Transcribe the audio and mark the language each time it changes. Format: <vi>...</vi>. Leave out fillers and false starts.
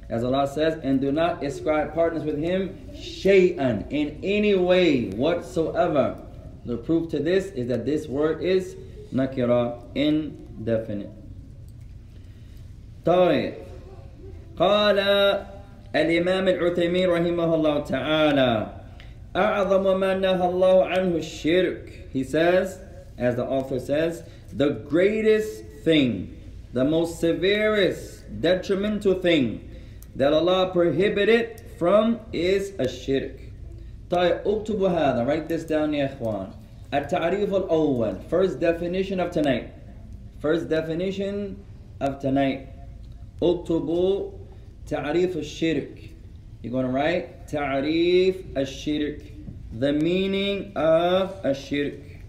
<en>As Allah says, and do not ascribe partners with him شَيْئًا in any way whatsoever. The proof to this is that this word is نَكِرًا indefinite.</en> <ar>طيب قال الإمام العثيمين رحمه الله تعالى أعظم ما نهى الله عنه الشرك.</ar> <en>He says, as the author says, the greatest thing, the most severest detrimental thing that Allah prohibited from is الشرك.</en> <ar>طيب أكتب هذا,</ar> <en>write this down</en> <ar>يا إخوان. التعريف الأول,</ar> <en>first definition of tonight.</en> <ar>أكتبوا تعريف الشرك.</ar> <en>You're going to write</en> <ar>تعريف الشرك,</ar> <en>the meaning of الشرك.</en>